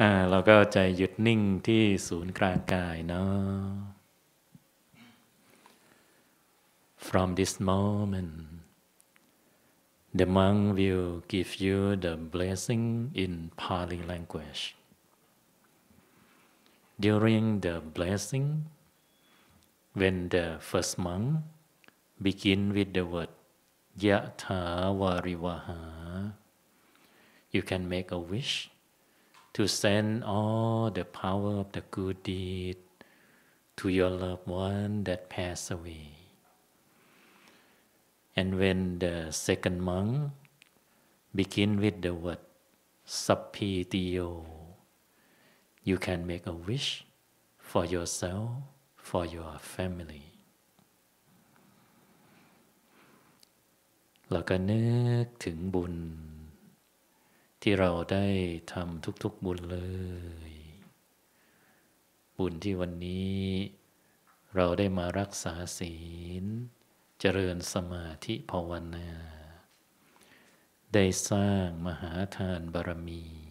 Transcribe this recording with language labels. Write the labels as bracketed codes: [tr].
[th] เราก็ใจหยุดนิ่งที่ศูนย์กลางกายเนาะ [en] From this moment, the monk will give you the blessing in Pali language. During the blessing, when the first monk begin with the word Yathavarivaha, you can make a wish to send all the power of the good deed to your loved one that passed away. And when the second monk begin with the word Sappitiyo, you can make a wish for yourself, for your family. [th] แล้วก็นึกถึงบุญที่เราได้ทำทุกๆบุญเลยบุญที่วันนี้เราได้มารักษาศีลเจริญสมาธิภาวนาได้สร้างมหาทานบารมี